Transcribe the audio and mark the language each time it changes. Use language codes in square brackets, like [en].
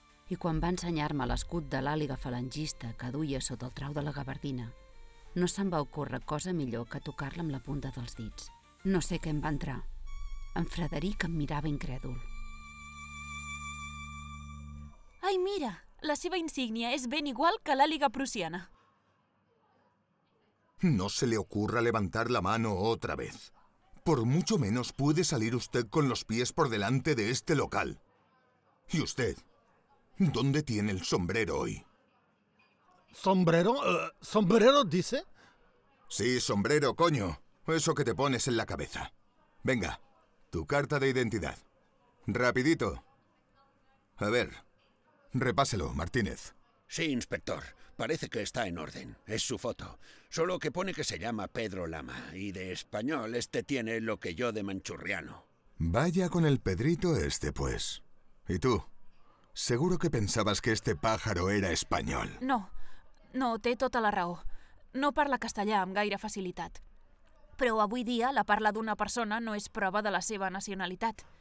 [ca] i quan va ensenyar-me l'escut de l'àliga falangista que duia sota el trau de la gabardina, no se'm va ocórrer cosa millor que tocar-la amb la punta dels dits. No sé què em va entrar. En Frederic em mirava incrèdul. Ai, mira! La seva insígnia és ben igual que l'àliga prussiana. [es] No se le ocurra levantar la mano otra vez. Por mucho menos puede salir usted con los pies por delante de este local. ¿Y usted? ¿Dónde tiene el sombrero hoy? ¿Sombrero? ¿Sombrero, dice? Sí, sombrero, coño. Eso que te pones en la cabeza. Venga, tu carta de identidad. Rapidito. A ver, repáselo, Martínez. Sí, inspector. Parece que está en orden. Es su foto. Solo que pone que se llama Pedro Lama. Y de español este tiene lo que yo de manchurriano. Vaya con el Pedrito este, pues. ¿Y tú? Seguro que pensabas que este pájaro era español. [ca] No. No, té tota la raó. No parla castellà amb gaire facilitat. Però avui dia la parla d'una persona no és prova de la seva nacionalitat.